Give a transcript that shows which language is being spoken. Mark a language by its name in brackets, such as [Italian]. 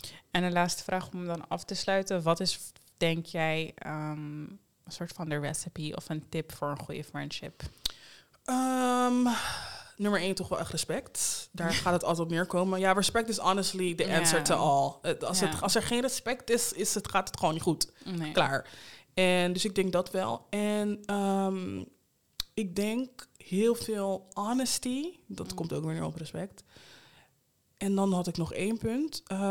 [Dutch] En de laatste vraag om dan af te sluiten. Wat is, denk jij, een soort van de recipe of een tip voor een goede friendship? Nummer 1 toch wel echt respect. Daar gaat het altijd op neerkomen. [English] Ja, respect is honestly the answer to all. [Dutch] Als er geen respect is, gaat het gewoon niet goed. Nee. Klaar. En dus ik denk dat wel. En ik denk heel veel honesty. Dat komt ook weer op respect. En dan had ik nog één punt.